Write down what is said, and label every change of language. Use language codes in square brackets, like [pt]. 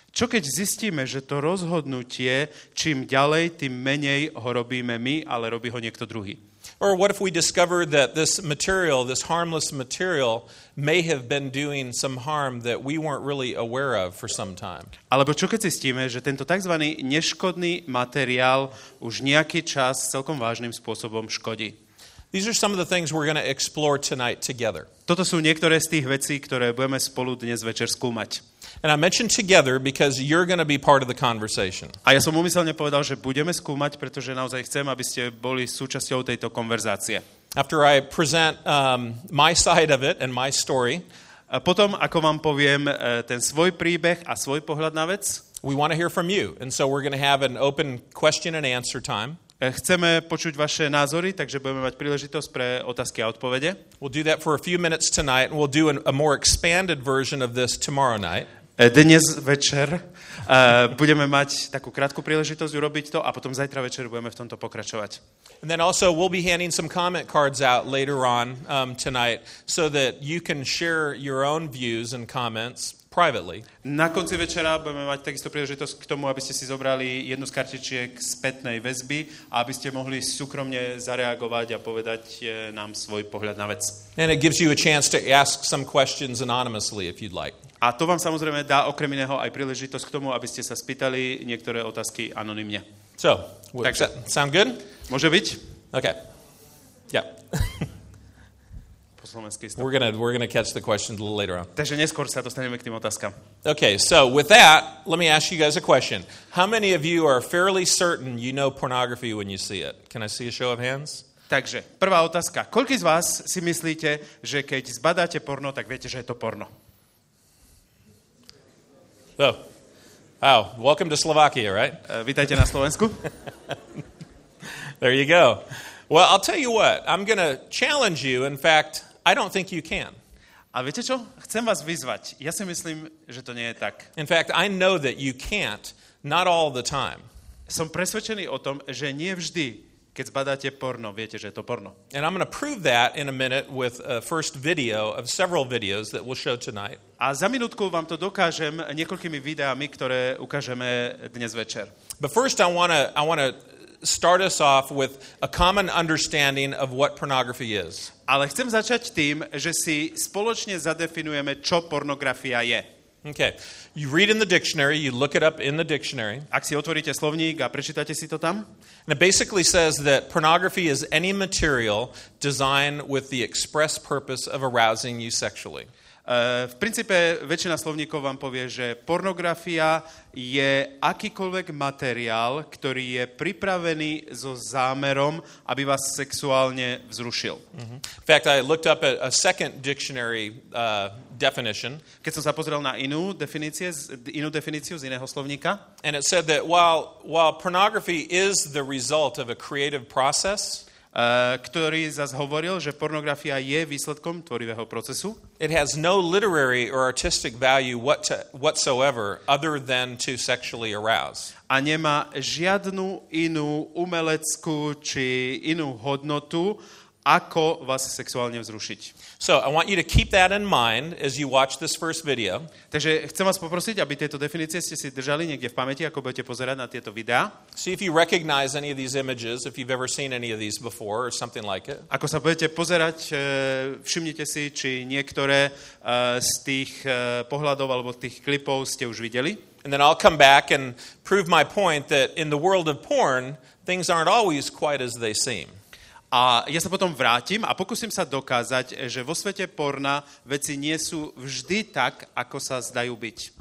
[sk] Čo keď zistíme, že to rozhodnutie, čím ďalej, tým menej ho robíme my, ale robí ho niekto druhý? [en] Or what if we discover that this material, this harmless material, may have been doing some harm that we weren't really aware of for some time? [sk] Alebo čo keď zistíme, že tento takzvaný neškodný materiál už nejaký čas celkom vážnym spôsobom škodí? [en] These are some of the things we're going to explore tonight together. [sk] Toto sú niektoré z tých vecí, ktoré budeme spolu dnes večer skúmať. [en] And I mentioned together because you're going to be part of the conversation. [sk] A ja som úmyselne povedal, že budeme skúmať, pretože naozaj chcem, aby ste boli súčasťou tejto konverzácie. [en] After I present my side of it and my story, [sk] a potom ako vám poviem ten svoj príbeh a svoj pohľad na vec, [en] we want to hear from you. And so we're going to have an open question and answer time. [sk] Chceme počuť vaše názory, takže budeme mať príležitosť pre otázky a odpovede. [en] We'll do that for a few minutes tonight and we'll do a more expanded version of this tomorrow night. [sk] Dnes večer budeme mať takú krátku príležitosť urobiť to a potom zajtra večer budeme v tomto pokračovať. [en] And then also we'll be handing some comment cards out later on tonight so that you can share your own views and comments privately. [sk] Na konci večera budeme mať takisto príležitosť k tomu, aby ste si zobrali jednu z kartičiek spätnej väzby a aby ste mohli súkromne zareagovať a povedať nám svoj pohľad na vec. [en] And it gives you a chance to ask some questions anonymously if you'd like. [sk] A to vám samozrejme dá okrem iného aj príležitosť k tomu, aby ste sa spýtali niektoré otázky anonymne. [en] So, does that sound good? [sk] Môže byť? [en] Okay. Yeah. We're gonna catch the questions a little later on. [sk] Takže neskôr sa dostaneme k tým otázkam. [en] Okay, so with that, let me ask you guys a question. How many of you are fairly certain you know pornography when you see it? Can I see a show of hands? [sk] Takže, prvá otázka. Koľko z vás si myslíte, že keď zbadáte porno, tak viete, že je to porno? [en] Oh. Wow, welcome to Slovakia, right? [sk] Vítajte na Slovensku. [en] There you go. Well, I'll tell you what. I'm gonna challenge you, in fact, I don't think you can. [sk] A viete čo? Chcem vás vyzvať. Ja si myslím, že to nie je tak. [en] In fact, I know that you can't, not all the time. [sk] Som presvedčený o tom, že nie vždy, keď zbadáte porno, viete, že je to porno. [en] And I'm going to prove that in a minute with a first video of several videos that we'll show tonight. [sk] A za minútku vám to dokážem niekoľkými videami, ktoré ukážeme dnes večer. [en] But first I want to start us off with a common understanding of what pornography is. [sk] Ale chcem začať tým, že si spoločne zadefinujeme, čo pornografia je. [en] Okay. You read in the dictionary, you look it up in the dictionary. [sk] Ak si otvoríte slovník a prečítate si to tam. [en] And it basically says that pornography is any material designed with the express purpose of arousing you sexually. [sk] V princípe väčšina slovníkov vám povie, že pornografia je akýkoľvek materiál, ktorý je pripravený so zámerom, aby vás sexuálne vzrušil. [en] In fact, I looked up a second dictionary definition. [sk] Keď som sa pozrel na inú definíciu z iného slovníka. [en] And it said that while pornography is the result of a creative process, [sk] ktorý zas hovoril, že pornografia je výsledkom tvorivého procesu. [en] It has no literary or artistic value whatsoever other than to sexually arouse. [sk] A nemá žiadnu inú umeleckú či inú hodnotu, ako vás sexuálne vzrušiť. [en] So I want you to keep that in mind as you watch this first video. [sk] Takže chcem vás poprosiť, aby tieto definície ste si držali niekde v pamäti, ako budete pozerať na tieto videá. [en] See if you recognize any of these images, if you've ever seen any of these before or something like it. [sk] Ako sa budete pozerať, všimnite si, či niektoré z tých pohľadov alebo tých klipov ste už videli. [en] And then I'll come back and prove my point that in the world of porn, things aren't always quite as they seem. [sk] A ja sa potom vrátim a pokúsim sa dokázať, že vo svete porna veci nie sú vždy tak, ako sa zdajú byť.